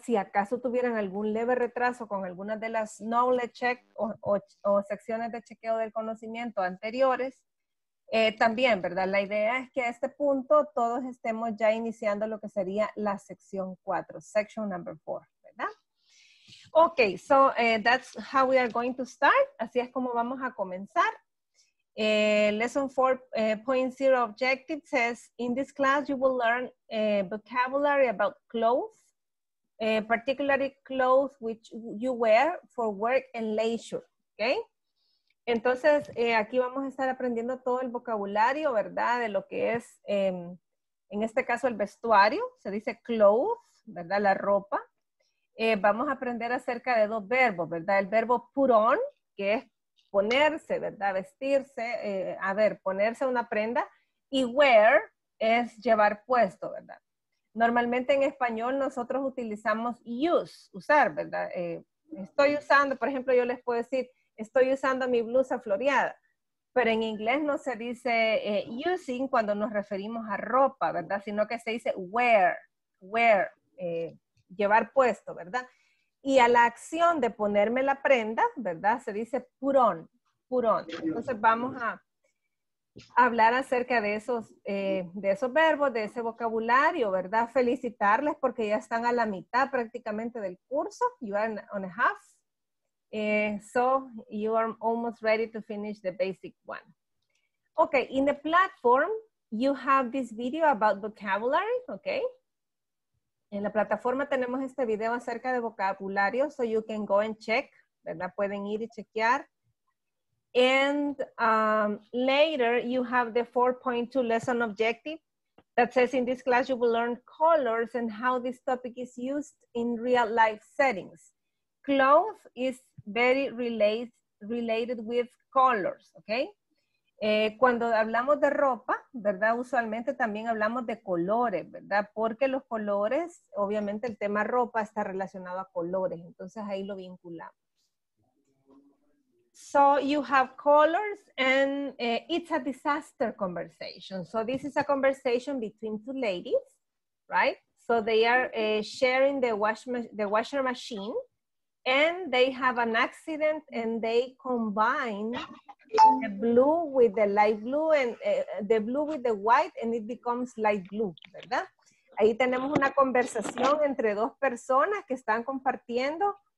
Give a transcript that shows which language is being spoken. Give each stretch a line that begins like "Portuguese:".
Spanish: Si acaso tuvieran algún leve retraso con alguna de las knowledge check o secciones de chequeo del conocimiento anteriores, también, ¿verdad? La idea es que a este punto todos estemos ya iniciando lo que sería la sección 4,
English: section number 4,
Spanish: ¿verdad?
English: Ok, so that's how we are going to start.
Spanish: Así es como vamos a comenzar.
English: Lesson 4.0 objective says, in this class you will learn vocabulary about clothes, particularly clothes which you wear for work and leisure, okay?
Spanish: Entonces, aquí vamos a estar aprendiendo todo el vocabulario, ¿verdad? De lo que es, en este caso, el vestuario. Se dice clothes, ¿verdad? La ropa. Vamos a aprender acerca de dos verbos, ¿verdad? El verbo put on, que es ponerse, ¿verdad? Vestirse, ponerse una prenda. Y wear es llevar puesto, ¿verdad? Normalmente en español nosotros utilizamos use, usar, ¿verdad? Estoy usando, por ejemplo, yo les puedo decir, estoy usando mi blusa floreada. Pero en inglés no se dice using cuando nos referimos a ropa, ¿verdad? Sino que se dice wear, llevar puesto, ¿verdad? Y a la acción de ponerme la prenda, ¿verdad? Se dice put on. Entonces vamos a hablar acerca de esos verbos, de ese vocabulario, ¿verdad? Felicitarles porque ya están a la mitad prácticamente del curso.
English: You are on a half. So you are almost ready to finish the basic one. Okay, in the platform, you have this video about vocabulary, okay?
Spanish: En la plataforma tenemos este video acerca de vocabulario,
English: so you can go and check,
Spanish: ¿verdad? Pueden ir y chequear.
English: And later, you have the 4.2 lesson objective that says in this class you will learn colors and how this topic is used in real life settings. Clothes is very related with colors, okay?
Spanish: Cuando hablamos de ropa, ¿verdad? Usualmente también hablamos de colores, ¿verdad? Porque los colores, obviamente el tema ropa está relacionado a colores. Entonces ahí lo vinculamos.
English: So you have colors and it's a disaster conversation. So this is a conversation between two ladies, right? So they are sharing the washer machine, and they have an accident and they combine the blue with the light blue and the blue with the white, and it becomes light blue, ¿verdad?
Spanish: Ahí tenemos una conversación entre dos personas que están compartiendo.